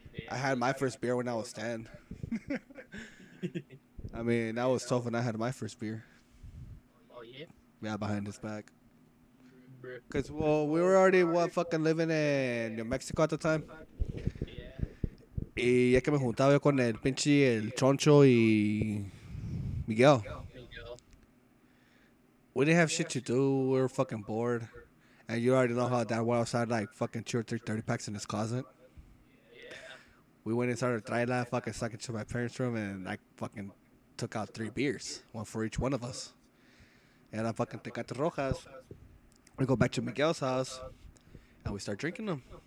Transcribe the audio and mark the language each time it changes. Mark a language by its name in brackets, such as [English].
[English] I had my first beer when I was 10. I mean, I was 12 when I had my first beer. Oh, yeah? Yeah, behind his back. Because, well, we were already, what, fucking living in New Mexico at the time? Yeah. [Spanish] Y ya que me juntaba yo con el pinche, el choncho y Miguel. [English] We didn't have shit to do. We were fucking bored. And you already know how that went outside, like, fucking 2 or 3 30 packs in his closet. We went inside a dry lab, fucking stuck into my parents' room, and I fucking took out 3 beers, one for each one of us. And I fucking take out the Rojas. We go back to Miguel's house, and we start drinking them.